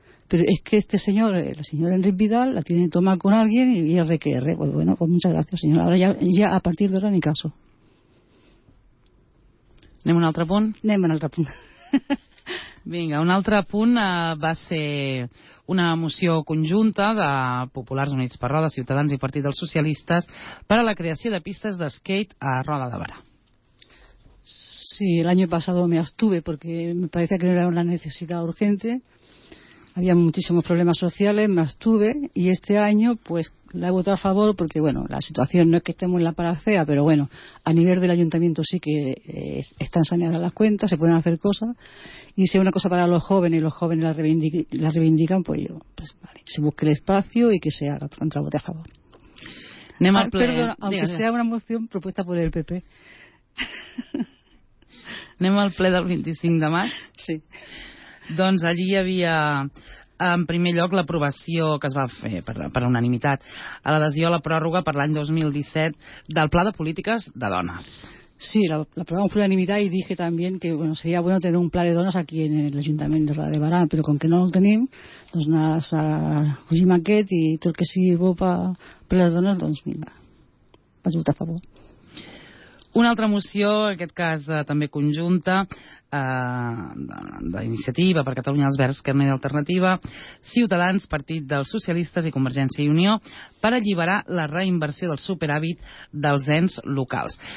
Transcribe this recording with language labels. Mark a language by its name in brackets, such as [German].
[Spanish] Pero es que este señor, el señor Enric Vidal, la tiene tomada con alguien y es de que erre. Pues bueno, pues muchas gracias, señor. Ahora ya a partir de ahora ni caso. [Catalan] ¿Anem a un altre punt? Anem a un altre punt. Vinga, un altre punt va ser una moció conjunta de Populars Units per Roda, Ciutadans i Partit dels Socialistes per a la creació de pistes d'esquate a Roda de Barà. [Spanish] Sí, el año pasado me abstuve porque me parecía que no era una necesidad urgente. Había muchísimos problemas sociales, me abstuve, y este año pues la he votado a favor porque, bueno, la situación no es que estemos en la panacea, pero bueno, a nivel del ayuntamiento sí que están saneadas las cuentas, se pueden hacer cosas, y si es una cosa para los jóvenes y los jóvenes la reivindican, pues yo, pues vale, se busque el espacio y que se haga, por tanto la voté a favor. Aunque sea una moción propuesta por el PP. [Catalan] Anem al ple del 25 de maig. Sí. Doncs allí hi havia, en primer lloc, l'aprovació que es va fer per unanimitat a l'adhesió a la pròrroga per l'any 2017 del Pla de Polítiques de Dones. [Spanish] Sí, la prova fue unanimidad, y dije también que bueno, sería bueno tener un plan de dones aquí en el Ayuntamiento de Roda de Barà, pero con que no lo tenim, [Catalan] doncs anàs a Ullimaquet i tot el que sigui bo per les dones, doncs mira, vaig votar a favor. Una altra moció, en aquest cas també conjunta, d'Iniciativa per Catalunya Els Verds, Carme d'Alternativa, Ciutadans, Partit dels Socialistes i Convergència i Unió, per alliberar la reinversió del superàvit dels ens locals.